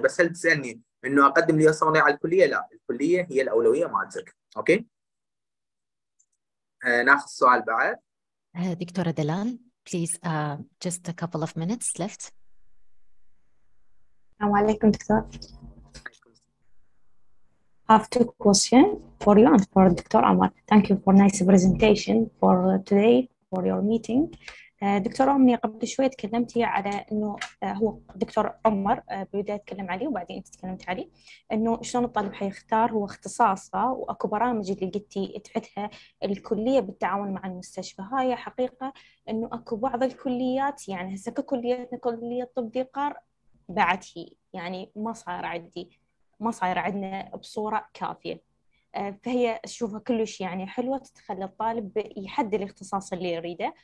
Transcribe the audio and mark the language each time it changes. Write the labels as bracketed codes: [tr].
[ar] بس هل تسالني انه اقدم اليو اس ام ال اي على الكليه؟ لا، الكليه هي الاولويه مالتك، اوكي؟ ناخذ سؤال بعد. [en] دكتورة دلال please just a couple of minutes left. [ar] السلام عليكم دكتور. [en] I have two questions for you and for Dr. Omar. Thank you for nice presentation for today, for your meeting. [ar] دكتور أمني قبل شوية تكلمتي على أنه هو دكتور عمر بداية تكلم عليه وبعدين أنت تكلمت عليه أنه شلون الطالب حيختار هو اختصاصه، وأكو برامج اللي قلتي تحتها الكلية بالتعاون مع المستشفى. هاي حقيقة أنه أكو بعض الكليات يعني هسه ككليتنا كلية طب ذي قار بعد هي يعني ما صار عندنا بصوره كافيه، فهي تشوفها كلش يعني حلوه تتخلى الطالب يحدد الاختصاص اللي يريده.